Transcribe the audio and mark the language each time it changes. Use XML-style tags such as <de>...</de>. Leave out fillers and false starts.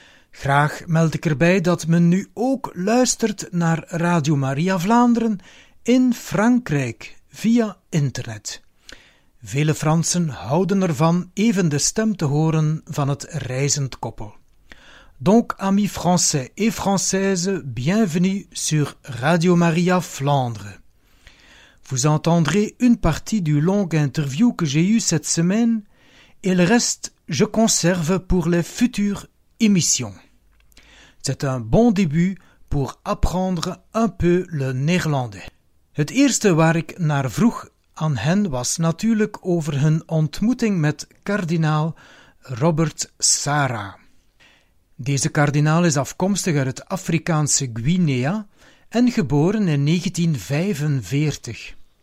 <nl>Graag meld ik erbij dat men nu ook luistert naar Radio Maria Vlaanderen in Frankrijk via internet. Vele Fransen houden ervan even de stem te horen van het reizend koppel.</nl> <fr>Donc, amis français et françaises, bienvenue sur Radio Maria Flandre. Vous entendrez une partie du long interview que j'ai eu cette semaine et le reste, je conserve pour les futures émissions. C'est un bon début pour apprendre un peu le néerlandais.</fr> <nl>Het eerste waar ik naar vroeg aan hen was natuurlijk over hun ontmoeting met kardinaal Robert Sara. Deze kardinaal is afkomstig uit het Afrikaanse Guinea en geboren in 1945.</nl>